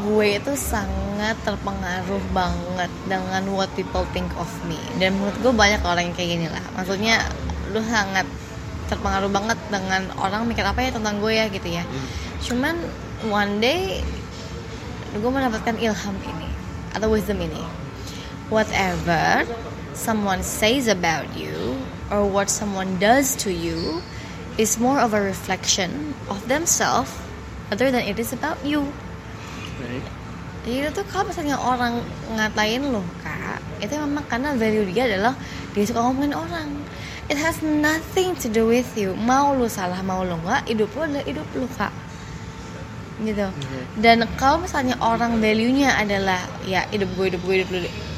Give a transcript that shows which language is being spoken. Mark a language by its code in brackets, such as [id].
[id] Gue itu sangat terpengaruh banget dengan [en] what people think of me. [id] Dan menurut gue banyak orang yang kayak gini lah. Maksudnya lo sangat terpengaruh banget dengan orang mikir apa ya tentang gue ya gitu ya. Cuman [en] one day [id] gue mendapatkan ilham ini atau wisdom ini. [en] Whatever someone says about you or what someone does to you is more of a reflection of themselves other than it is about you. Okay. [id] Jadi itu kalau misalnya orang ngatain lo kak, itu memang karena value dia adalah dia suka ngomongin orang. [en] It has nothing to do with you. [id] Mau lo salah mau lo enggak, hidup lo adalah hidup lo kak. Gitu. Okay. Dan kalau misalnya orang value nya adalah ya hidup gue, hidup gue, hidup lo.